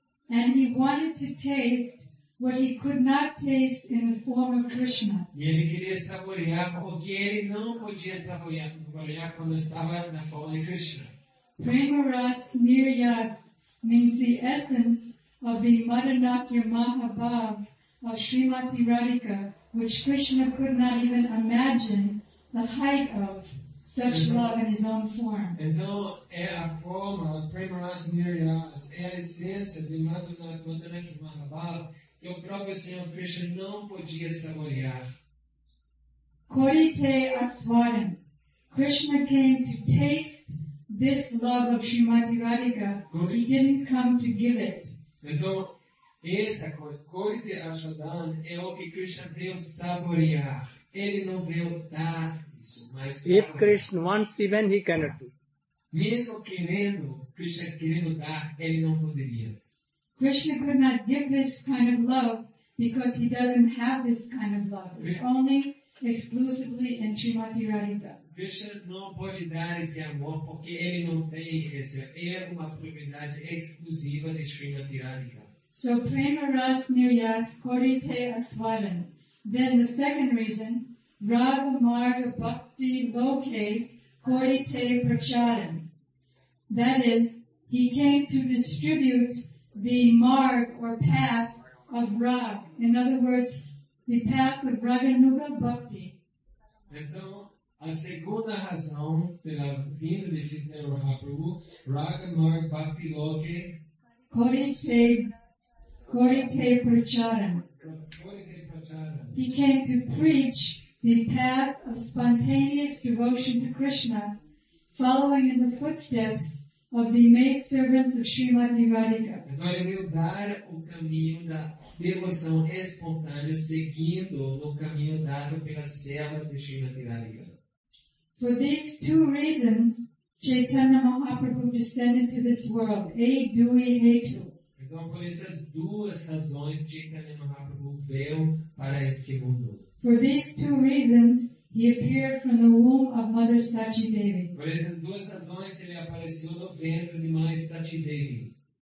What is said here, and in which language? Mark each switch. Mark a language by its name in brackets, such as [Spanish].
[English] And he wanted to taste what he could not taste in the form of Krishna. [Portuguese] E ele queria saborear o que ele não podia saborear quando estava na forma de Krishna. [English] Prema ras niryas means the essence of the Madanatya Mahabhav of Srimati Radhika, which Krishna could not even imagine the height of such [Portuguese] então, [English] love in his own form. [Portuguese] Então é a forma, prema ras niryas, é a essência de Madanatya Mahabhav que o próprio Senhor Krishna não podia saborear. [Bangla] Korite aswaram. [English] Krishna came to taste this love of Srimati Radhika. He didn't come to give it. If Krishna wants, even he cannot do. [Portuguese] Mesmo querendo, Krishna querendo dar, ele não poderia. [English] Krishna could not give this kind of love because he doesn't have this kind of love. It's only exclusively in Srimati Radhika. [Portuguese] Krishna não pode dar esse amor porque ele não tem esse. É uma propriedade exclusiva de Srimati Radhika. [English] So [Bangla] prema ras niryas korite asvalan. [English] Then the second reason, [Bangla] raga marga bhakti loke korite pracharan. [English] That is, he came to distribute the marg or path of rag. In other words, the path of raganuga bhakti. [Portuguese] Então, a segunda razão pela vinda de Chaitanya Mahaprabhu, [Bangla] raga marga bhakti loke korite. Korite pracharan. [English] He came to preach the path of spontaneous devotion to Krishna, following in the footsteps of the maidservants of Srimati Radhika. [Portuguese] Então ele veio dar o caminho da devoção espontânea, seguindo o caminho dado pelas servas de Srimati Radhika. [English] For these two reasons, Chaitanya Mahaprabhu descended to this world. Hey, do we hate you? [Portuguese] Então, por essas duas razões, Chaitanya Mahaprabhu veio para este mundo. [English] For these two reasons, he appeared from the womb of Mother Sachi Devi. [Portuguese] Por essas duas razões, ele apareceu no ventre de Mãe Sachi Devi.